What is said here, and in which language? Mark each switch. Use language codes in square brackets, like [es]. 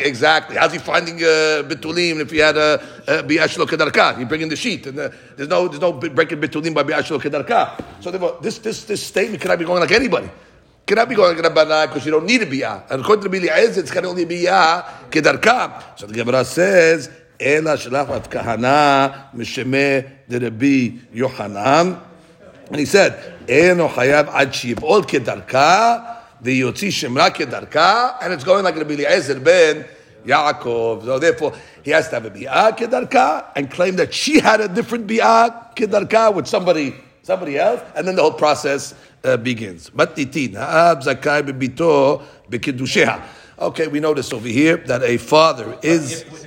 [en] Exactly. How's he finding Betulim if he had a bi'ah shelo kedarka? He bring in the sheet. And there's no breaking Betulim by bi'ah shelo kedarka. So this statement cannot be going like anybody. Cannot be going like Rabbanah because you don't need a bi'ah. And according to Eliezer, it's going to only be bi'ah kedarka. So the Gemara says, [he] אלא שלח את כהנה משמה דרבי יוחנן. [en] And he said, [he] אינו חייב עד שיבעול כדרכה, ויוציא שמרה כדרכה, [en] and it's going like [he] רבי אליעזר בן יעקב. [en] So therefore, he has to have a ביעה כדרכה, and claim that she had a different ביעה כדרכה with somebody else, and then the whole process begins. [he] מתניתין, האב זכאי בביתו בקידושיה. [en] Okay, we notice over here that a father is...